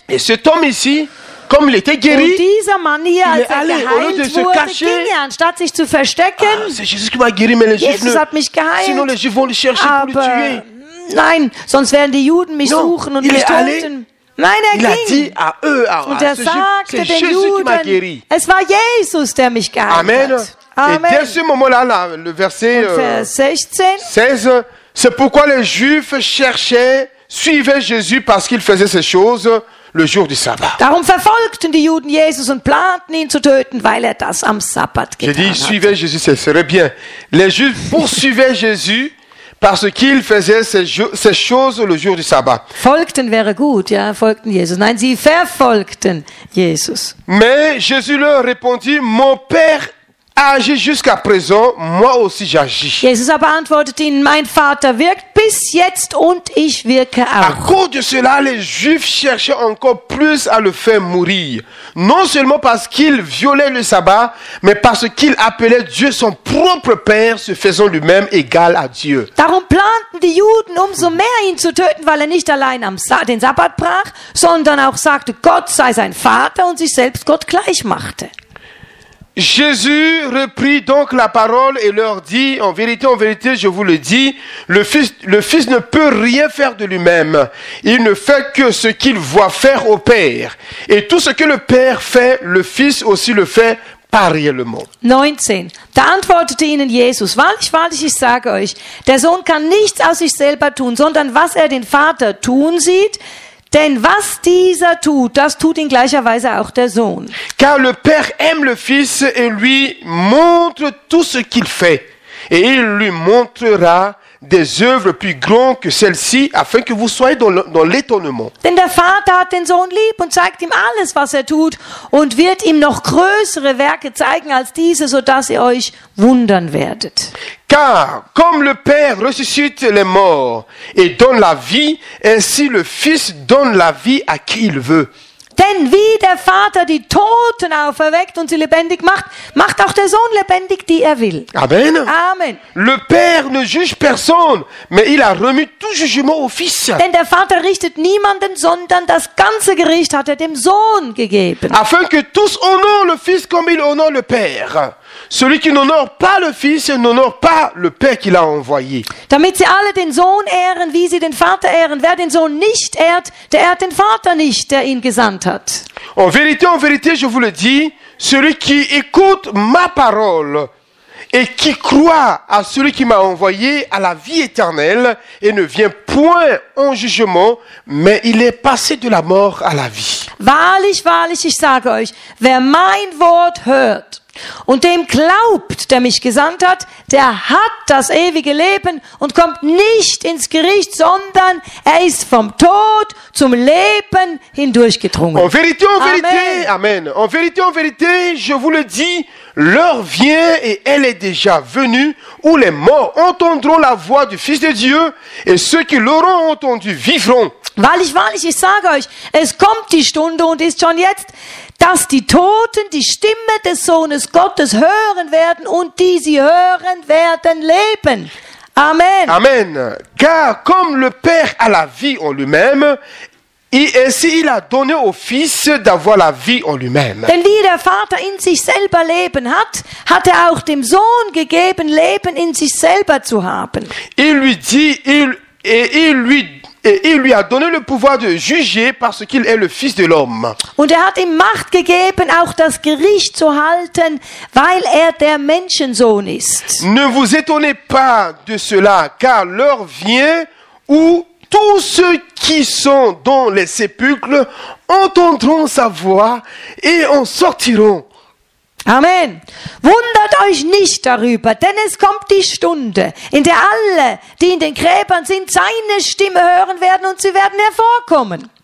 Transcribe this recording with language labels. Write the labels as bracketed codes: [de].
[fr] Et cet homme ici, comme il était guéri, [de] und dieser Mann hier, als er [fr] allé, [de] geheilt wurde, [fr] cacher, [de] ging er, anstatt sich zu verstecken. [fr] C'est Jésus qui m'a guéri, mais les [de] Jésus hat mich geheilt. [fr] Sinon les Juifs vont le chercher [de] aber [fr] pour le tuer. [de] Nein, sonst werden die Juden mich [fr] non, [de] suchen und mich töten. Nein, er [fr] il [de] ging. [fr] A dit à eux, à [de] und er sagte den Jesus Juden, es war Jesus, der mich geheilt Amen. Hat. [fr] Amen. Et dès ce moment-là, là, le verset [de] Vers 16, [fr] c'est pourquoi les Juifs cherchaient, suivaient Jésus parce qu'il faisait ces choses le jour du Sabbat. [de] Darum verfolgten die Juden Jesus und planten ihn zu töten, weil er das am Sabbat getan hatte. [fr] J'ai dit, suivaient Jésus, ce serait bien. Les Juifs poursuivaient Jésus parce qu'il faisait ces choses le jour du sabbat. [de] Folgten wäre gut, ja, folgten Jesus. Nein, sie verfolgten Jesus. [fr] Mais Jésus leur répondit, mon Père agit jusqu'à présent, moi aussi j'agis. [de] Jesus aber antwortete ihnen, mein Vater wirkt bis jetzt und ich wirke auch. [fr] À cause de cela, les Juifs cherchaient encore plus à le faire mourir. Non seulement parce qu'il violait le sabbat, mais parce qu'il appelait Dieu son propre Père, se faisant lui-même égal à Dieu. [de] Darum planten die Juden umso mehr ihn zu töten, weil er nicht allein den Sabbat brach, sondern auch sagte, Gott sei sein Vater und sich selbst Gott gleich machte. [fr] Jésus reprit donc la parole et leur dit, en vérité, je vous le dis, le fils ne peut rien faire de lui-même. Il ne fait que ce qu'il voit faire au Père. Et tout ce que le Père fait, le Fils aussi le fait parallèlement. 19. [de] Da antwortete ihnen Jesus, wahrlich, ich sage euch, der Sohn kann nichts aus sich selber tun, sondern was er den Vater tun sieht, denn was dieser tut, das tut in gleicher Weise auch der Sohn. [fr] Car le Père aime le Fils et lui montre tout ce qu'il fait. Et il lui montrera des œuvres plus grandes que celles-ci, afin que vous soyez dans l'étonnement. [de] Denn der Vater hat den Sohn lieb und zeigt ihm alles, was er tut, und wird ihm noch größere Werke zeigen als diese, sodass ihr euch wundern werdet. [fr] Car comme le Père ressuscite les morts et donne la vie, ainsi le Fils donne la vie à qui il veut. [de] Denn wie der Vater die Toten auferweckt und sie lebendig macht, macht auch der Sohn lebendig, die er will. [fr] Amen. [de] Amen. [fr] Le Père ne juge personne, mais il a remis tout jugement au Fils. [de] Denn der Vater richtet niemanden, sondern das ganze Gericht hat er dem Sohn gegeben. [fr] Afin que tous honorent le Fils comme il honore le Père. Celui qui n'honore pas le Fils n'honore pas le Père qui l'a envoyé. [de] Damit sie alle den Sohn ehren, wie sie den Vater ehren. Wer den Sohn nicht ehrt, der ehrt den Vater nicht, der ihn gesandt hat. [fr] En vérité, je vous le dis, celui qui écoute ma parole et qui croit à celui qui m'a envoyé à la vie éternelle et ne vient point en jugement, mais il est passé de la mort à la vie. [de] Wahrlich, ich sage euch, wer mein Wort hört und dem glaubt, der mich gesandt hat, der hat das ewige Leben und kommt nicht ins Gericht, sondern er ist vom Tod zum Leben hindurchgedrungen. [fr] En vérité, je vous le dis, l'heure vient et elle est déjà venue où les morts entendront la voix du Fils de Dieu et ceux qui l'auront entendu vivront. [de] Wahrlich, ich sage euch, es kommt die Stunde und ist schon jetzt, dass die Toten die Stimme des Sohnes Gottes hören werden und die sie hören werden leben. [fr] Amen. [de] Amen. [fr] Car comme le Père a la vie en lui-même, et ainsi il a donné au Fils d'avoir la vie en lui-même. [de] Denn wie der Vater in sich selber Leben hat, hat er auch dem Sohn gegeben, Leben in sich selber zu haben. [fr] Il lui a donné le pouvoir de juger parce qu'il est le Fils de l'homme. [de] Und er hat ihm Macht gegeben, auch das Gericht zu halten, weil er der Menschensohn ist. [fr] Ne vous étonnez pas de cela, car l'heure vient où tous ceux qui sont dans les sépulcres entendront sa voix et en sortiront. Amen. [de] Wundert euch nicht darüber, denn es kommt die Stunde, in der alle, die in den Gräbern sind, seine Stimme hören werden und sie werden hervorkommen.